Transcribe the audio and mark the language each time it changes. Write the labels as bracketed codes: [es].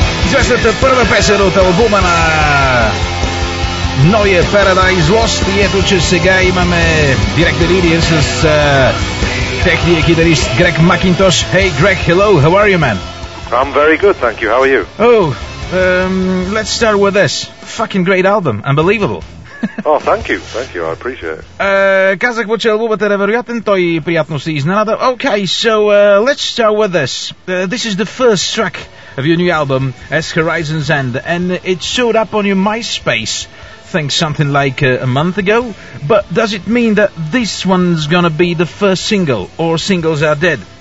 [bg] 71-та песен от албума на новия Paradise Lost. И ето, че сега имаме директна линия с техния китарист Грег Макинтош. [en] Hey, Greg, hello, how are you, man? I'm very good, thank you. How are you? Oh, let's start with this. Fucking great album, unbelievable. Oh, thank you, I appreciate it. [bg] Казах му, че албумът е невероятен, той приятно се изненада. [en] Okay, so let's start with this. This is the first track of your new album, As Horizons End, and it showed up on your MySpace, I think something like a month ago. But does it mean that this one's gonna be the first single, or singles are dead?